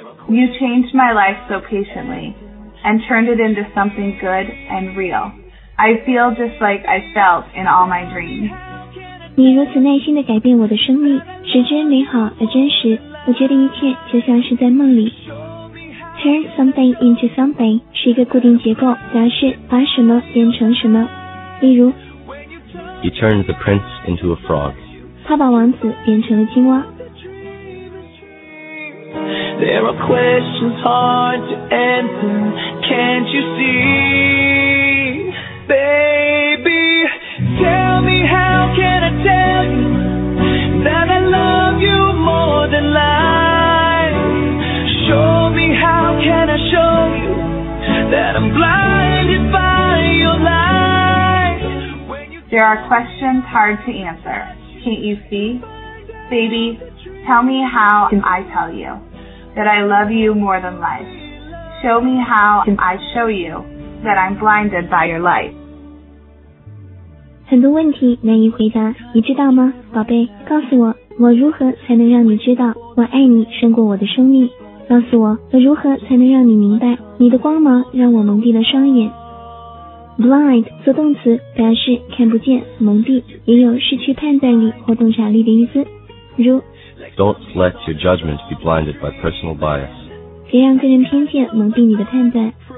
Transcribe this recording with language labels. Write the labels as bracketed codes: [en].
[en] You changed my life so patiently and turned it into something good and real. I feel just like I felt in all my dreams. [zh] 你如此耐心地改变我的生命，使之美好而真实。我觉得一切就像是在梦里。 turn something into something 是一个固定结构，表示把什么变成什么。例如 [en] He turned the prince into a frog. [zh] 他把王子变成了青蛙。 [en] There are questions hard to answer, can't you see? Baby, tell me how can I tell you that I love you more than life? Show me how can I show you that I'm blinded by your light? There are questions hard to answer, can't you see? Baby, tell me how can I tell you? That I love you more than life. Show me how can I show you that I'm blinded by your light. [zh] 很多问题难以回答，你知道吗，宝贝？告诉我，我如何才能让你知道我爱你胜过我的生命？告诉我，我如何才能让你明白你的光芒让我蒙蔽了双眼？ Blind 做动词表示看不见、蒙蔽，也有失去判断力或洞察力的意思，如。 [en] Don't let your judgment be blinded by personal bias. [zh] 别让个人偏见蒙蔽你的判断。